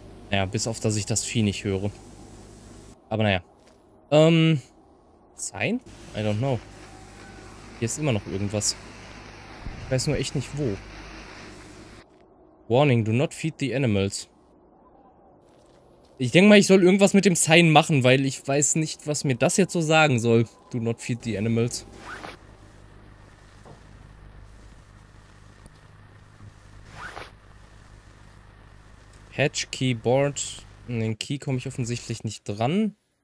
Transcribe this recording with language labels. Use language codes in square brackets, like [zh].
[de] Naja, bis auf, dass ich das Vieh nicht höre. Aber naja. Sein? [en] I don't know. [de] Hier ist immer noch irgendwas. Ich weiß nur echt nicht wo. [en] Warning, do not feed the animals. [de] Ich denke mal, ich soll irgendwas mit dem Sein machen, weil ich weiß nicht, was mir das jetzt so sagen soll. [en] Do not feed the animals. [de] Hatch, Keyboard. An den Key komme ich offensichtlich nicht dran.